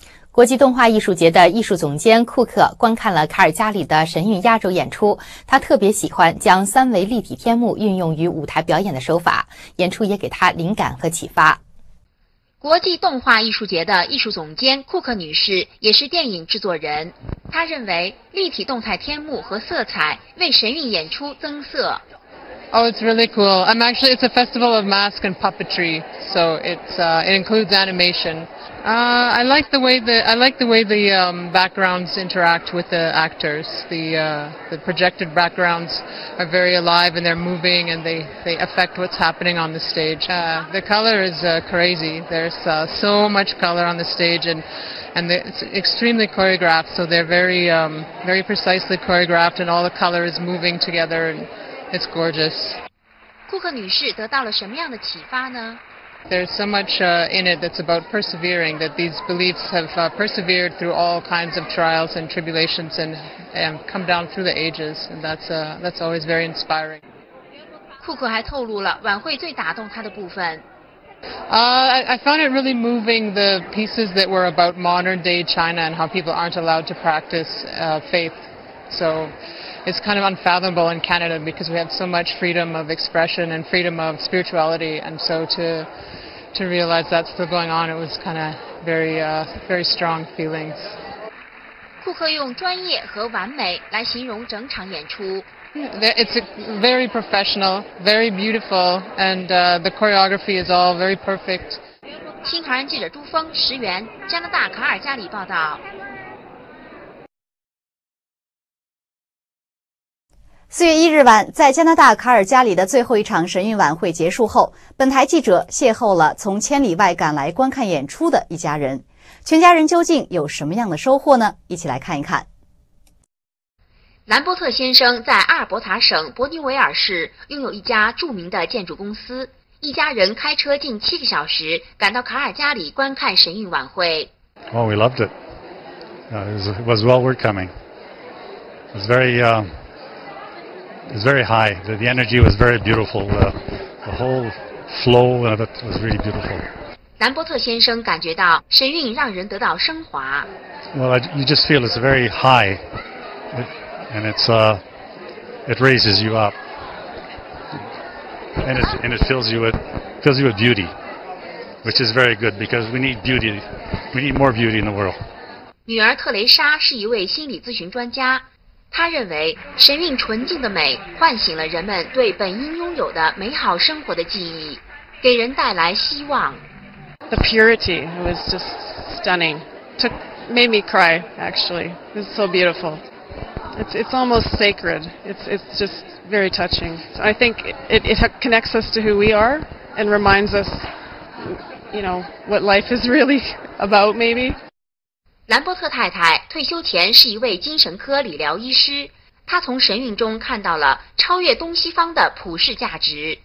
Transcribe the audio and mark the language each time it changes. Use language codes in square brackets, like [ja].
[zh] 国际动画艺术节的艺术总监库克观看了卡尔加里的神韵压轴演出，他特别喜欢将三维立体天幕运用于舞台表演的手法，演出也给他灵感和启发。国际动画艺术节的艺术总监库克女士也是电影制作人，她认为立体动态天幕和色彩为神韵演出增色。 [en] Oh, it's really cool. Actually, it's a festival of masks and puppetry, so it includes animation. I like the way the backgrounds interact with the actors. The projected backgrounds are very alive and they're moving and they affect what's happening on the stage. The color is crazy. There's so much color on the stage and it's extremely choreographed, so they're very precisely choreographed and all the color is moving together andIt's gorgeous. [zh] 库克女士得到了什么样的启发呢？ [en] There's so much in it that's about persevering, that these beliefs have persevered through all kinds of trials and tribulations and come down through the ages, and that's always very inspiring. [zh] 库克还透露了晚会最打动她的部分。 [en] I found it really moving, the pieces that were about modern day China and how people aren't allowed to practice faith. So,It's kind of unfathomable in Canada because we have so much freedom of expression and freedom of spirituality, and so to realize that's still going on, it was kind of very very strong feelings. [zh] 库克用专业和完美来形容整场演出。 [en] It's very professional, very beautiful, and the choreography is all very perfect. [zh] 新唐人记者朱峰、石原，加拿大卡尔加里报道。四月一日晚，在加拿大卡尔加里的最后一场神韵晚会结束后，本台记者邂逅了从千里外赶来观看演出的一家人。全家人究竟有什么样的收获呢？一起来看一看。兰伯特先生在阿尔伯塔省伯尼维尔市拥有一家著名的建筑公司，一家人开车近七个小时赶到卡尔加里观看神韵晚会。 [en] Well, we loved it. It was well worth coming. It was very high. The energy was very beautiful. The whole flow of it was really beautiful. [zh] 兰伯特先生感觉到神韵让人得到升华。 [en] Well, you just feel it's very high, and it raises you up, and it fills you with beauty, which is very good because we need beauty. We need more beauty in the world. [zh] 女儿特蕾莎是一位心理咨询专家。他认为神韵纯净的美唤醒了人们对本应拥有的美好生活的记忆，给人带来希望。 [en] The purity was just stunning. Made me cry, actually. It's so beautiful. It's almost sacred. It's just very touching. So I think it connects us to who we are and reminds us, you know, what life is really about, maybe. [zh] 兰伯特太太退休前是一位精神科理疗医师，她从神韵中看到了超越东西方的普世价值。